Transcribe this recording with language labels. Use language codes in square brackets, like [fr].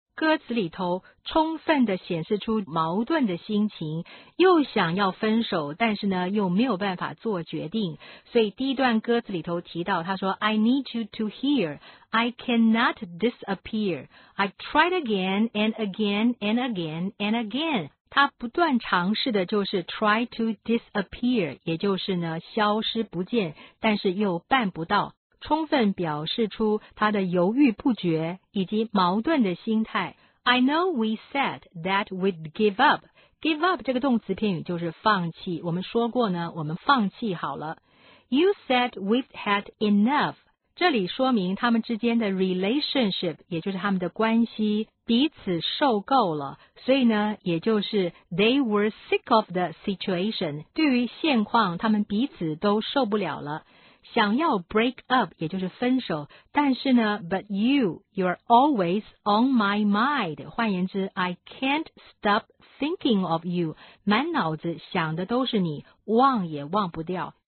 [zh] 歌词里头充分地显示出矛盾的心情，又想要分手，但是呢又没有办法做决定。所以第一段歌词里头提到，他说 [en] I need you to hear, I cannot disappear, I tried again and again and again and again。 [zh] 他不断尝试的就是 [en] try to disappear， [zh] 也就是呢消失不见，但是又办不到。充分表示出他的犹豫不决以及矛盾的心态。 [en] I know we said that we'd give up. [zh] Give up 这个动词片语就是放弃。我们说过呢，我们放弃好了。 [en] You said we've had enough. [zh] 这里说明他们之间的 relationship， 也就是他们的关系，彼此受够了。所以呢，也就是 [en] they were sick of the situation. [zh] 对于现况，他们彼此都受不了了。想要 break up 也就是分手，但是呢 [en] but you're always on my mind， [zh] 换言之 [en] I can't stop thinking of you， [zh] 满脑子想的都是你，忘也忘不掉。